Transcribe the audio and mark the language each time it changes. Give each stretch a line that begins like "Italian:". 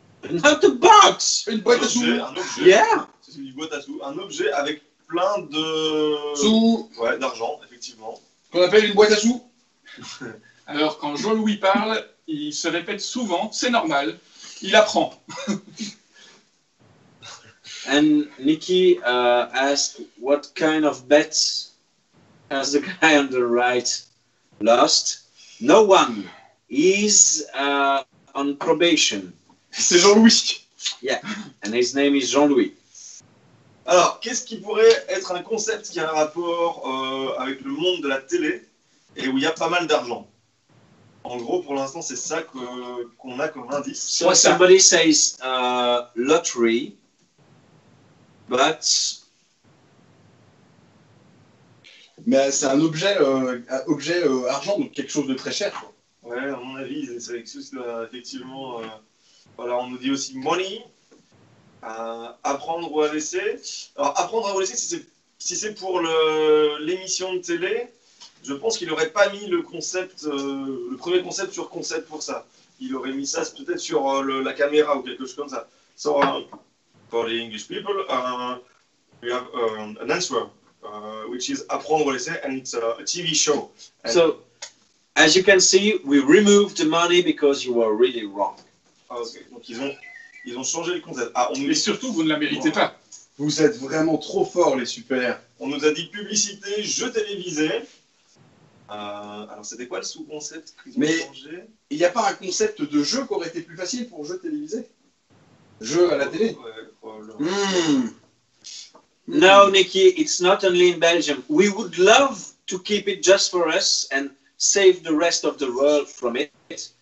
English: Not a box.
French: Une boîte un à objet, sous. Un objet. Yeah. C'est une boîte à sous. Un objet avec plein de... Sous. Ouais, d'argent, effectivement. Qu'on appelle une boîte à sous. Alors, quand Jean-Louis parle, il se répète souvent, c'est normal. Il apprend.
English: And Nikki asked, what kind of bets has the guy on the right lost? No one. He's on probation.
French: C'est Jean-Louis.
English: Yeah, and his name is Jean-Louis.
French: Alors, qu'est-ce qui pourrait être un concept qui a un rapport avec le monde de la télé et où il y a pas mal d'argent? En gros, pour l'instant, c'est ça qu'on a comme indice.
English: So, somebody says lottery, but...
French: Mais c'est un objet, argent, donc quelque chose de très cher, quoi. Ouais, à mon avis, c'est quelque chose là, effectivement... Voilà, on nous dit aussi money, apprendre ou à laisser. Alors, apprendre ou à laisser, si c'est pour l'émission de télé, je pense qu'il n'aurait pas mis le premier concept sur concept pour ça. Il aurait mis ça peut-être sur la caméra ou quelque chose comme ça.
English: So, for the English people, we have an answer, which is apprendre ou laisser, and it's a TV show. And so, as you can see, we removed the money because you were really wrong.
French: Ah, okay. Donc ils ont changé le concept. Ah, mais surtout, vous ne la méritez pas. Vous êtes vraiment trop forts, les super. On nous a dit publicité, jeu télévisé. Alors, c'était quoi le sous-concept qu'ils ont mais changé? Il n'y a pas un concept de jeu qui aurait été plus facile pour jeu télévisé? Jeu à la télé? Ouais,
English: No, Nikki, it's not only in Belgium. We would love to keep it just for us and save the rest of the world from it.